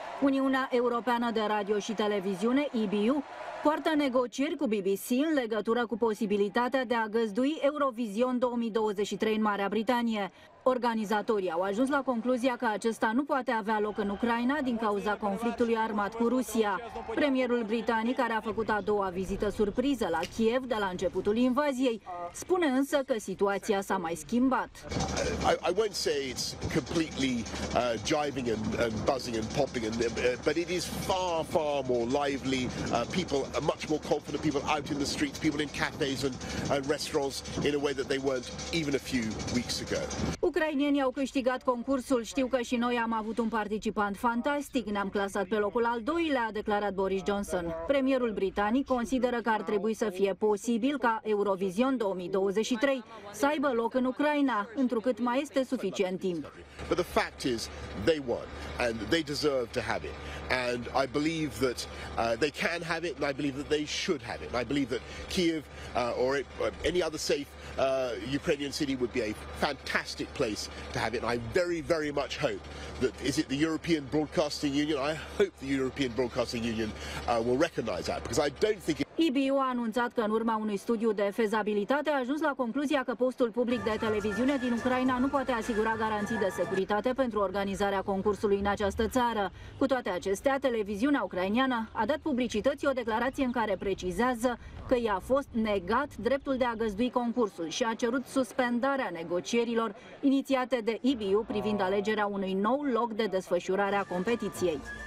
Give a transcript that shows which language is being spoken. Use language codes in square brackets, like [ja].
[ro] Uniunea Europeană de Radio și Televiziune, EBU, poartă negocieri cu BBC în legătură cu posibilitatea de a găzdui Eurovision 2023 în Marea Britanie. Organizatorii au ajuns la concluzia că acesta nu poate avea loc în Ucraina din cauza conflictului armat cu Rusia. Premierul britanic, care a făcut a doua vizită surpriză la Kiev de la începutul invaziei, spune însă că situația s-a mai schimbat. [en] I won't say it's completely jiving and buzzing and popping, but it is far, far more lively. People are much more confident, people out in the streets, people in cafes and restaurants in a way that they weren't even a few weeks ago. [ro] Ucrainienii au câștigat concursul, știu că și noi am avut un participant fantastic, ne-am clasat pe locul al doilea, a declarat Boris Johnson. Premierul britanic consideră că ar trebui să fie posibil ca Eurovision 2023 să aibă loc în Ucraina, întrucât mai este suficient timp. [en] But the fact is, they won, and they deserve to have it. And I believe that they can have it, and I believe that they should have it. And I believe that Kiev or any other safe Ukrainian city would be a fantastic place to have it. And I very, very much hope that, is it the European Broadcasting Union? I hope the European Broadcasting Union will recognize that, because I don't think it... [ro] EBU a anunțat că în urma unui studiu de fezabilitate a ajuns la concluzia că postul public de televiziune din Ucraina nu poate asigura garanții de securitate pentru organizarea concursului în această țară. Cu toate acestea, televiziunea ucrainiană a dat publicității o declarație în care precizează că i-a fost negat dreptul de a găzdui concursul și a cerut suspendarea negocierilor inițiate de EBU privind alegerea unui nou loc de desfășurare a competiției.